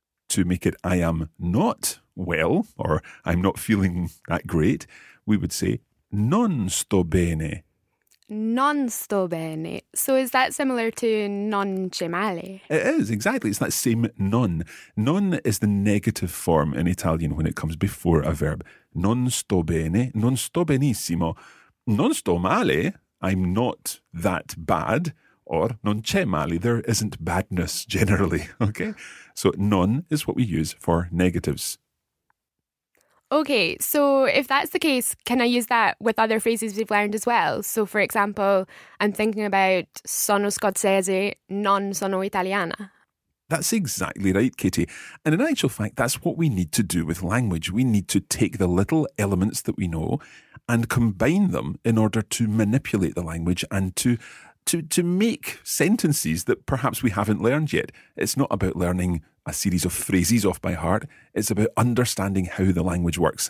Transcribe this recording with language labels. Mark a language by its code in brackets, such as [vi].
[en] To make it I am not well, or I'm not feeling that great, we would say [it] non sto bene. Non sto bene. [en] So is that similar to [it] non c'è male? [en] It is, exactly. It's that same non. Non is the negative form in Italian when it comes before a verb. [it] Non sto bene, non sto benissimo. Non sto male, [en] I'm not that bad. Or [it] non c'è male, [en] there isn't badness generally, okay? So non is what we use for negatives. Okay, so if that's the case, can I use that with other phrases we've learned as well? So for example, I'm thinking about [it] sono scozzese, non sono italiana. [en] That's exactly right, Katie. And in actual fact, that's what we need to do with language. We need to take the little elements that we know and combine them in order to manipulate the language and to make sentences that perhaps we haven't learned yet. It's not about learning a series of phrases off by heart. It's about understanding how the language works.